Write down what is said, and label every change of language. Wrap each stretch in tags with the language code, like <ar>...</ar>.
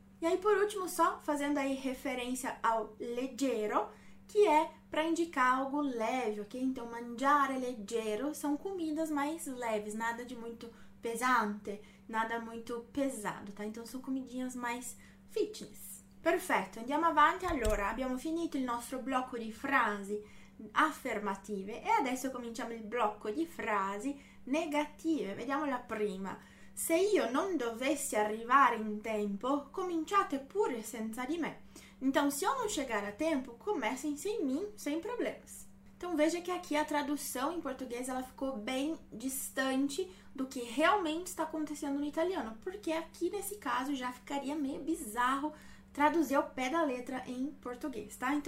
<pt>E aí, por último, só fazendo aí referência ao leggero, que é para indicar algo leve, ok? Então, mangiare leggero são comidas mais leves, nada de muito pesante, nada muito pesado, tá? Então são comidinhas mais fitness.</pt> <it>Perfetto, andiamo avanti. Allora, abbiamo finito il nostro blocco di frasi affermative e adesso cominciamo il blocco di frasi negative. Vediamo la prima. Se io non dovessi arrivare in tempo, cominciate pure senza di me.</it> <pt>Então, se eu não chegar a tempo, comecem sem mim, sem problemas. Então, veja que aqui a tradução em português ela ficou bem distante do que realmente está acontecendo no italiano, porque aqui nesse caso já ficaria meio bizarro traduzir ao pé da letra em português, tá?</pt>